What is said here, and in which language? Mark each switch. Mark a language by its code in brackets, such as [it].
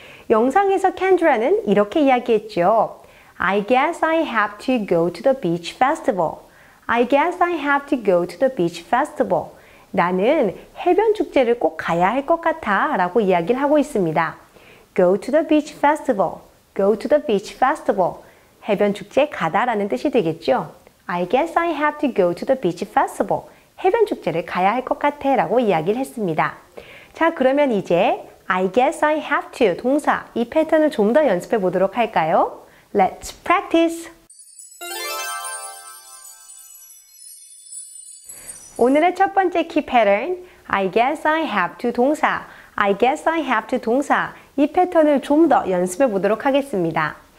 [ko] 영상에서 켄드라는 이렇게 이야기했죠. [en] I guess I have to go to the beach festival. I guess I have to go to the beach festival. [ko] 나는 해변 축제를 꼭 가야 할 것 같아 라고 이야기를 하고 있습니다. [en] Go to the beach festival. Go to the beach festival. [ko] 해변 축제 가다 라는 뜻이 되겠죠. [en] I guess I have to go to the beach festival. [ko] 해변 축제를 가야 할 것 같아 라고 이야기를 했습니다. 자, 그러면 이제 [en] I guess I have to [ko] 동사 이 패턴을 좀 더 연습해 보도록 할까요? [en] Let's practice! [ko] 오늘의 첫 번째 [en] key pattern, I guess I have to [ko] 동사, [en] I guess I have to [ko] 동사 이 패턴을 좀 더 연습해 보도록 하겠습니다.